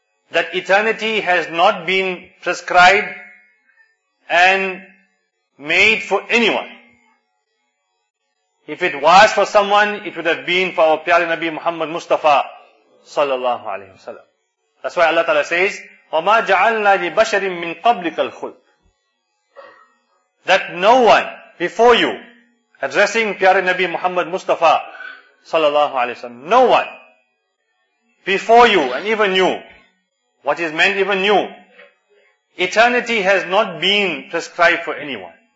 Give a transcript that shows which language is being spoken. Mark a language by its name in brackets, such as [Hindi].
[English] That eternity has not been prescribed and made for anyone. If it was for someone, it would have been for our Piyali Nabi Muhammad Mustafa sallallahu alayhi wa sallam. That's why Allah Ta'ala says, [Arabic] وَمَا جَعَلْنَا لِبَشَرٍ مِّن قَبْلِكَ الْخُلْفِ. [English] That no one before you, addressing Piyari Nabi Muhammad Mustafa sallallahu alayhi wa sallam, no one before you and even you, what is meant even you, eternity has not been prescribed for anyone.